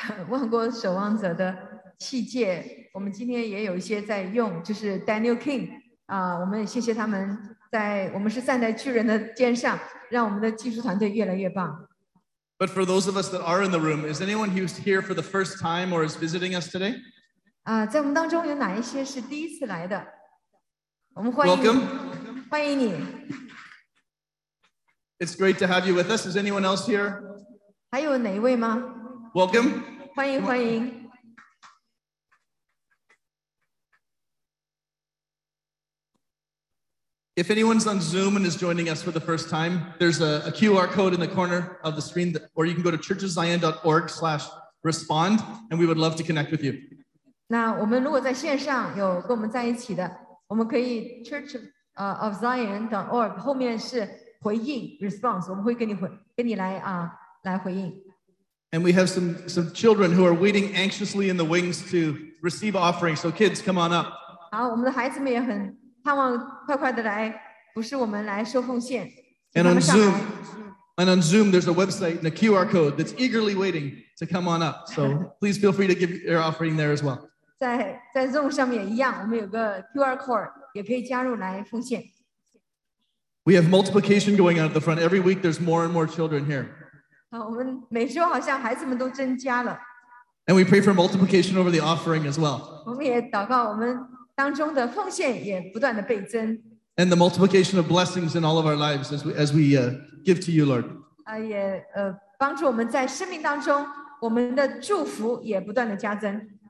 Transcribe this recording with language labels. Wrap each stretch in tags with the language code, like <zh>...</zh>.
<zh>万国守望者的器械，我们今天也有一些在用，就是 Daniel Kim 我们也谢谢他们在我们是站在巨人的肩上，让我们的技术团队越来越棒。</zh> <en>But for those of us that are in the room, is anyone who's here for the first time or is visiting us today?</en> <zh>在我们当中有哪一些是第一次来的？我们欢迎你。</zh> <en>It's great to have you with us. Is anyone else here?</en> <zh>还有哪一位吗？</zh> <en>Welcome.</en> <zh>欢迎欢迎。</zh> <en>If anyone's on Zoom and is joining us for the first time, there's a QR code in the corner of the screen, or you can go to churchofzion.org/respond, and we would love to connect with you.</en> <zh>那我们如果在线上有跟我们在一起的，我们可以 churchofzion.org 后面是回应 response， 我们会跟你来回应。</zh> <en>And we have some children who are waiting anxiously in the wings to receive offering. So kids, come on up.</en> <zh>好，我们的孩子们也很。盼望快快的来，不是我们来收奉献。</zh> <en>And on Zoom, there's a website and a QR code that's eagerly waiting to come on up. So please feel free to give your offering there as well.</en> <zh>在 Zoom 上面也一样，我们有个 QR code 也可以加入来奉献。</zh> <en>We have multiplication going on at the front. Every week there's more and more children here.</en> <zh>我们每周好像孩子们都增加了。</zh> <en>And we pray for multiplication over the offering as well.</en> <zh>我们也祷告我们。当中的奉献也不断的倍增。</zh> <en>And the multiplication of blessings in all of our lives as we give to you, Lord.</en> <zh>帮助我们在生命当中，我们的祝福也不断的加增。</zh>